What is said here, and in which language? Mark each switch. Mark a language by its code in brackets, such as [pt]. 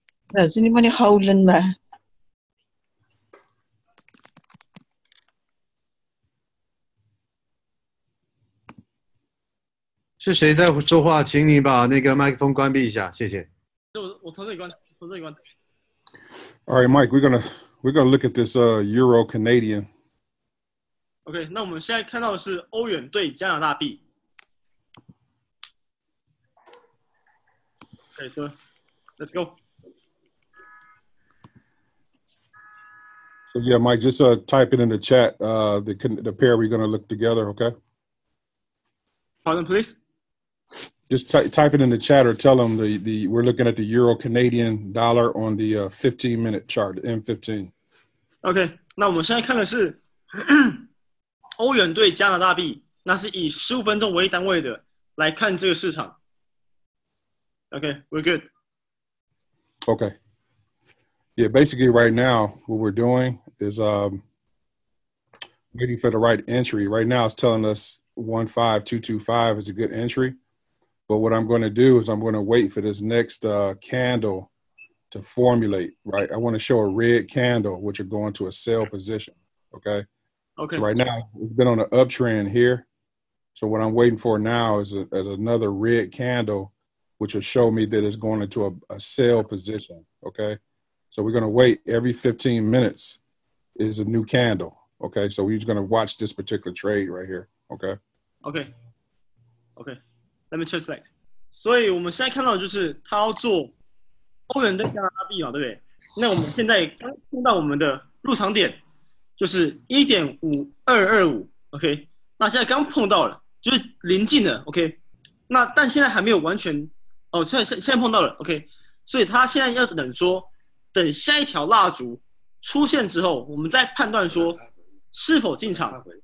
[zh] 老师，你们的好冷吗？是谁在说话？请你把那个麦克风关闭一下，谢谢。 [en] All right, Mike, we're gonna look at this Euro Canadian. [zh] Okay, 那我们现在看到的是欧元对加拿大币。 [en] Okay, so let's go. So yeah, Mike, just type it in the chat. The pair we're gonna look together. Okay. Pardon, please. Just type it in the chat or tell them the we're looking at the Euro Canadian dollar on the 15 minute chart, M15. [zh] Okay, 那我们现在看的是欧元对加拿大币，那是以15分钟为单位的来看这个市场。 [en] Okay, we're good. Okay. Yeah, basically right now what we're doing is waiting for the right entry. Right now it's telling us 15225 is a good entry. But what I'm going to do is I'm going to wait for this next candle to formulate, right? I want to show a red candle, which are going to a sell position, okay? Okay. So right now, we've been on an uptrend here. So what I'm waiting for now is another red candle, which will show me that it's going into a sell position, okay? So we're going to wait every 15 minutes is a new candle, okay? So we're just going to watch this particular trade right here, okay? Okay. Okay. Let me translate. [zh] 所以我们现在看到的就是他要做欧元对加拿大币嘛，对不对？那我们现在刚看到我们的入场点，就是 1.5225， OK， 那现在刚碰到了，就是临近了， OK， 那但现在还没有完全，哦，现在碰到了， OK， 所以他现在要等说，等下一条蜡烛出现之后，我们再判断说是否进场，